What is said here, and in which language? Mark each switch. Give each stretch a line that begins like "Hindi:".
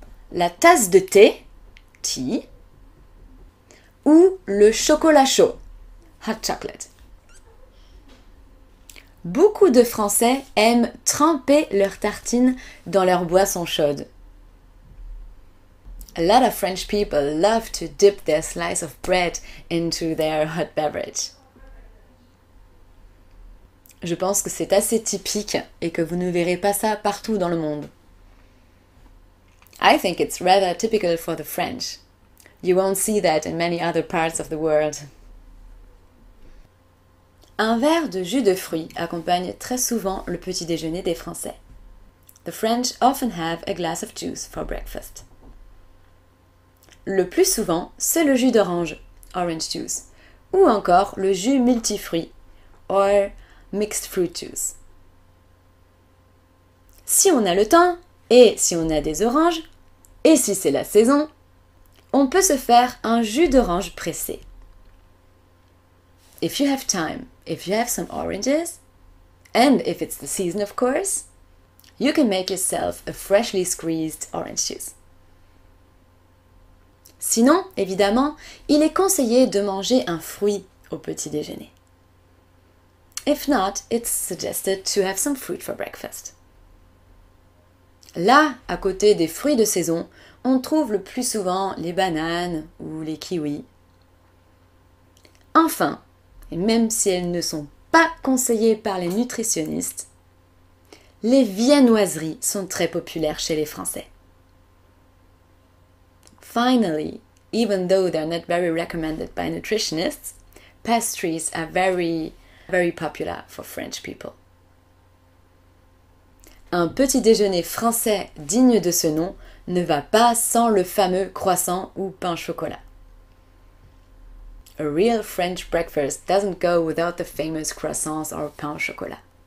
French: la tasse de thé,
English: tea,
French: ou le chocolat chaud,
English: hot chocolate.
French: Beaucoup de Français aiment tremper leurs tartines dans leur boisson chaude.
English: A lot of French people love to dip their slice of bread into their hot beverage.
French: Je pense que c'est assez typique et que vous ne verrez pas ça partout dans le monde.
English: I think it's rather typical for the French. You won't see that in many other parts of the world.
French: Un verre de jus de fruits accompagne très souvent le petit déjeuner des Français.
English: The French often have a glass of juice for breakfast.
French: Le plus souvent, c'est le jus d'orange,
English: orange juice,
French: ou encore le jus multifruit,
English: or mixed fruit juice.
French: Si on a le temps, et si on a des oranges, et si c'est la saison, on peut se faire un jus d'orange pressé.
English: If you have time, if you have some oranges, and if it's the season of course, you can make yourself a freshly squeezed orange juice.
French: Sinon, évidemment, il est conseillé de manger un fruit au petit déjeuner.
English: If not, it's suggested to have some fruit for breakfast.
French: Là, à côté des fruits de saison, on trouve le plus souvent les bananes ou les kiwis. Enfin, et même si elles ne sont pas conseillées par les nutritionnistes, les viennoiseries sont très populaires chez les Français.
English: Finally, even though they're not very recommended by nutritionists, pastries are very, very popular for French people.
French: Un petit déjeuner français digne de ce nom ne va pas sans le fameux croissant ou pain chocolat.
English: A real French breakfast doesn't go without the famous croissants or pain au chocolat.